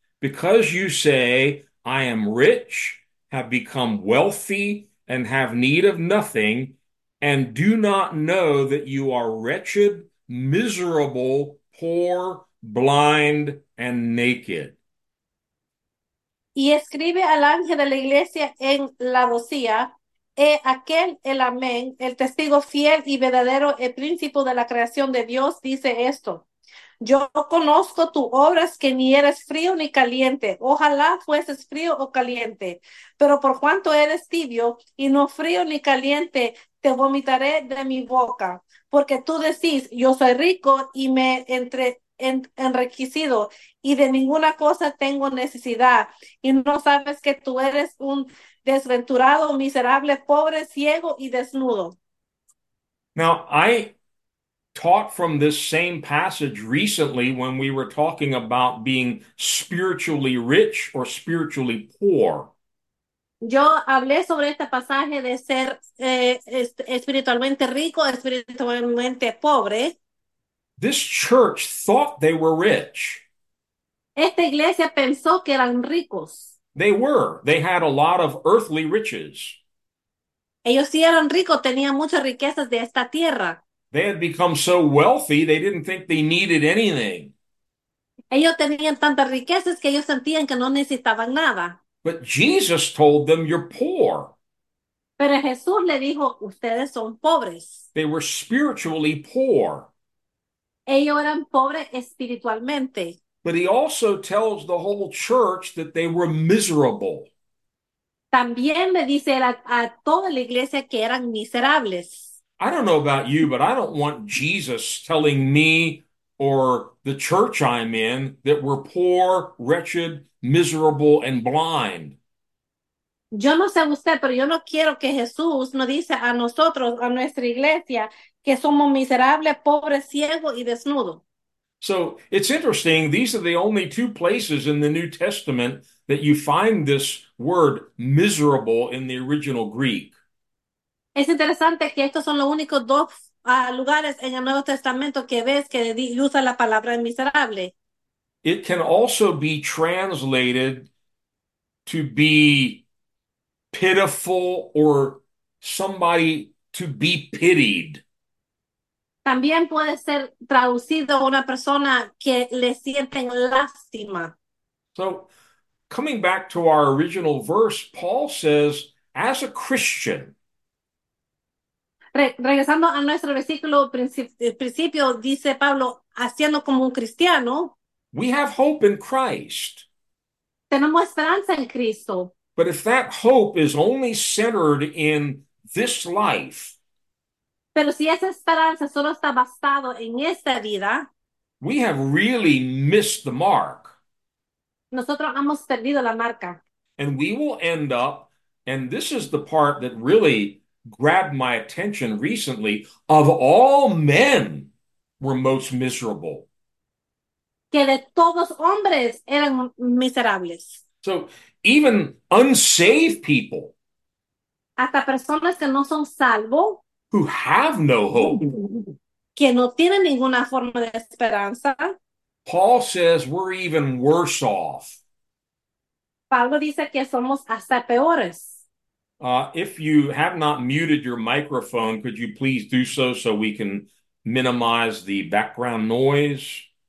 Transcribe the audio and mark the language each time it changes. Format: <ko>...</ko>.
<en>Because you say, 'I am rich, have become wealthy, and have need of nothing,' and do not know that you are wretched, miserable, poor, blind, and naked."</en> <es>Y escribe al ángel de la iglesia en Laodicea, he aquel el amén, el testigo fiel y verdadero, el príncipe de la creación de Dios, dice esto: yo conozco tus obras, que ni eres frío ni caliente. Ojalá fueses frío o caliente, pero por cuanto eres tibio y no frío ni caliente, te vomitaré de mi boca, porque tú decís: yo soy rico y me entre enriquecido, y de ninguna cosa tengo necesidad, y no sabes que tú eres un desventurado, miserable, pobre, ciego y desnudo.</es> <en>Now, I taught from this same passage recently when we were talking about being spiritually rich or spiritually poor.</en> <es>Yo hablé sobre este pasaje de ser espiritualmente rico, espiritualmente pobre.</es> <en>This church thought they were rich.</en> <es>Esta iglesia pensó que eran ricos.</es> <en>They were. They had a lot of earthly riches.</en> <es>Ellos sí eran ricos, tenían muchas riquezas de esta tierra.</es> <en>They had become so wealthy, they didn't think they needed anything.</en> <es>Ellos tenían tantas riquezas que ellos sentían que no necesitaban nada.</es> <en>But Jesus told them, "You're poor."</en> <es>Pero Jesús le dijo: ustedes son pobres.</es> <en>They were spiritually poor.</en> <es>Ellos eran pobres espiritualmente.</es> <en>But he also tells the whole church that they were miserable.</en> <es>También le dice a toda la iglesia que eran miserables.</es> <en>I don't know about you, but I don't want Jesus telling me or the church I'm in that we're poor, wretched, miserable, and blind.</en> <es>Yo no sé usted, pero yo no quiero que Jesús nos dice a nosotros, a nuestra iglesia, que somos miserables, pobres, ciegos y desnudos.</es> <en>So it's interesting. These are the only two places in the New Testament that you find this word miserable in the original Greek.</en> <es>Es interesante que estos son los únicos dos lugares en el Nuevo Testamento que ves que usa la palabra miserable.</es> <en>It can also be translated to be pitiful or somebody to be pitied.</en> <es>También puede ser traducido a una persona que le sienten lástima.</es> <en>So, coming back to our original verse, Paul says, as a Christian,</en> <es>Regresando a nuestro versículo principio, dice Pablo, haciendo como un cristiano,</es> <en>we have hope in Christ.</en> <es>tenemos esperanza en Cristo.</es> <en>But if that hope is only centered in this life,</en> <es>Pero si esa esperanza solo está basada en esta vida,</es> <en>we have really missed the mark.</en> <es>nosotros hemos perdido la marca.</es> <en>And we will end up, and this is the part that really grabbed my attention recently, of all men, we're most miserable.</en> <es>Que de todos hombres eran miserables.</es> <en>So, even unsaved people</en> <es>Hasta personas que no son salvos,</es> <en>who have no hope,</en> <es>que no tienen ninguna forma de esperanza.</es> <en>Paul says we're even worse off.</en> <es>Pablo dice que somos hasta peores.</es> <en>If you have not muted your microphone, could you please do so so we can minimize the background noise?</en>